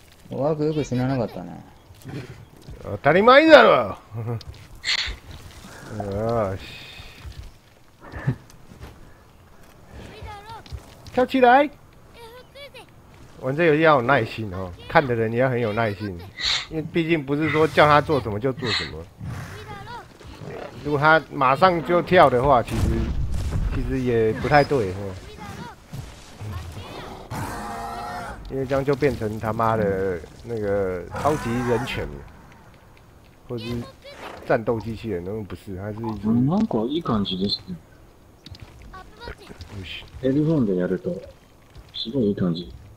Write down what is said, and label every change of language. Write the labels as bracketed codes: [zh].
[ja] そうワークよく死ななかったね。当たり前だろよしキャッチライ。 [zh] 玩这游戏要有耐心哦，看的人也要很有耐心，因为毕竟不是说叫他做什么就做什么。如果他马上就跳的话，其实也不太对哦，因为这样就变成他妈的那个超级人犬，或者是战斗机器人，那不是，他是一只。 [ja] なんかいい感じですね。よし。ヘルフォンでやるとすごいいい感じ。